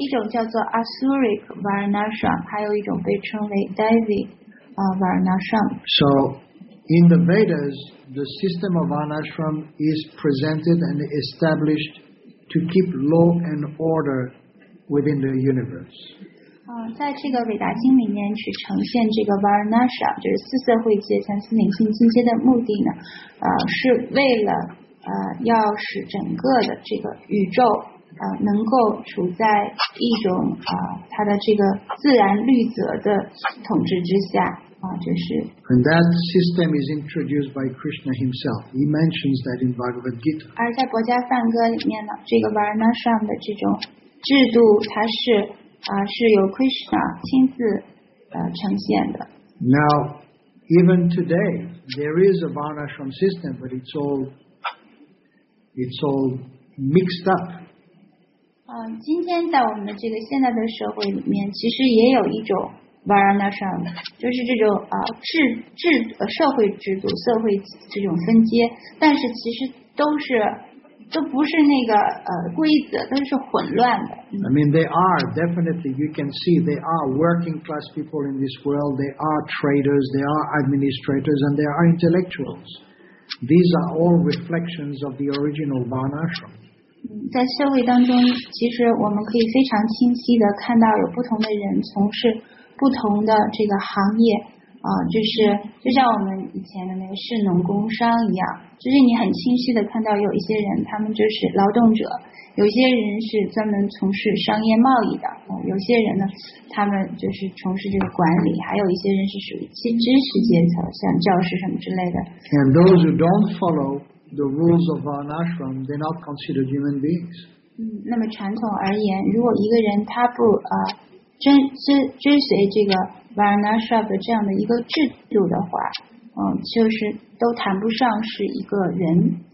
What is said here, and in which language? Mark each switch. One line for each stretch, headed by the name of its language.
Chinese: 一种叫做 Asuric Varnashram, 还有一种被称为 Devi Varnashram.
English: So, in the Vedas, the system of Varnashram is presented and established to keep law and order within the universe.
Chinese: 在这个伟达经里面去呈现这个 Varnashram, 就是四色会阶、三四灵性境界的目的呢，是为了要使整个的这个宇宙能够处在一种它的这个自然律则的统治之下就是。
English: And that system is introduced by Krishna himself. He mentions that in Bhagavad Gita.
Chinese: 而在《薄伽梵歌》里面呢，这个 Varnashram 的这种制度，它是是由 Krishna 亲自呈现的。
English: Now, even today, there is a Varnashram system, but it's all mixed up.
Chinese: 今天在我们的这个现在的社会里面，其实也有一种 Varnashram， 就是这种社会制度、社会这种分阶，但是其实都不是那个规则，都是混乱的。
English: I mean, they are definitely. You can see they are working class people in this world. They are traders. They are administrators, and they are intellectuals. These are all reflections of the original Varnashram.
Chinese: 在社会当中，其实我们可以非常清晰的看到有不同的人从事不同的这个行业，就像我们以前的那个士农工商一样，就是你很清晰的看到有一些人他们就是劳动者，有些人是专门从事商业贸易的，有些人呢，他们就是从事这个管理，还有一些人是属于知识阶层，像教师什么之类的。
English: And those who don't follow the rules of Varnashram, they're not considered human beings.
Chinese: 那么传统而言，如果一个人他不追随这个 Varnashram 的这样的一个制度的话，就是都谈不上是一个人。